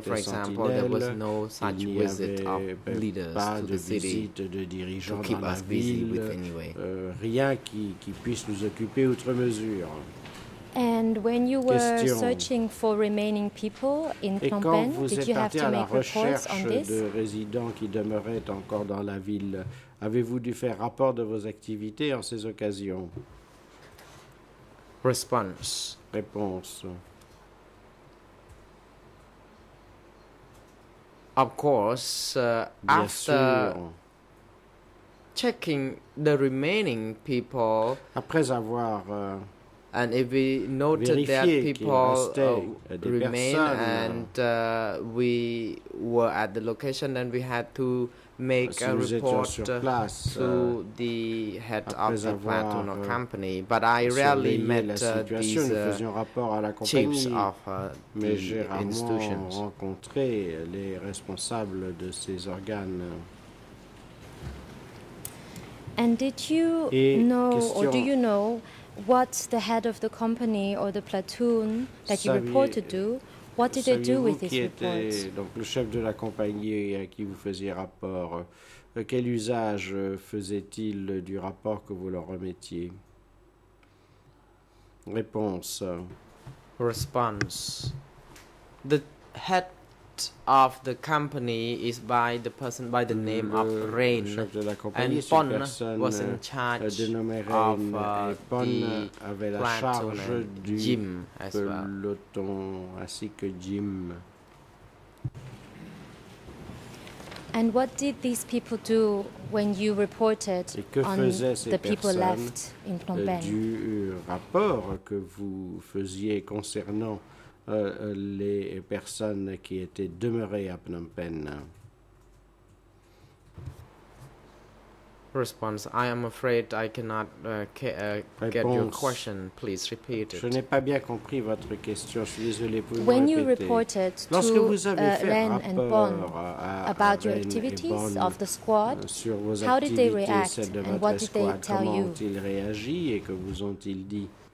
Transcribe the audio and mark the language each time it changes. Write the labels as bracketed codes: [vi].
[en] For example, there was no such visit of leaders to the city to keep us busy with anyway. [fr] Rien qui puisse nous occuper outre mesure. [en] And when you were [fr] Question. [en] Searching for remaining people in Phnom Penh, did you have to make reports on this? [fr] De résidents qui demeuraient encore dans la ville, avez-vous dû faire rapport de vos activités en ces occasions? [en] Response. [fr] Réponse. [en] Of course, after checking the remaining people. [fr] Après avoir [en] And if we noted that people remain and we were at the location, then we had to make [fr] si [en] a report [fr] place, [en] to the head of the platoon or company. But I rarely met these chiefs of the institutions. [fr] Rencontré les responsables de ces organes. [en] And did you [fr] Et [en] know, question, or do you know, what the head of the company or the platoon that you reported to, what did they do with these reports? [fr] Donc le chef de la compagnie à qui vous faisiez rapport, quel usage faisait-il du rapport que vous leur remettiez? Réponse. [en] Response. The head of the company is by the person by the name of Rain. And Pon was in charge of Jim as well. [fr] Ainsi que Jim. [en] And what did these people do when you reported on the people left in Phnom Penh? [fr] Du rapport que vous faisiez concernant les personnes qui étaient demeurées à Phnom Penh. [en] Response: I am afraid I cannot get your question. Please repeat it. [fr] Je n'ai pas bien compris votre question. Je suis désolé. [en] When you reported to Ren and Bon about your activities of the squad, how did they react and what did they tell you? [fr] Comment ont-ils réagi et que vous ont-ils dit?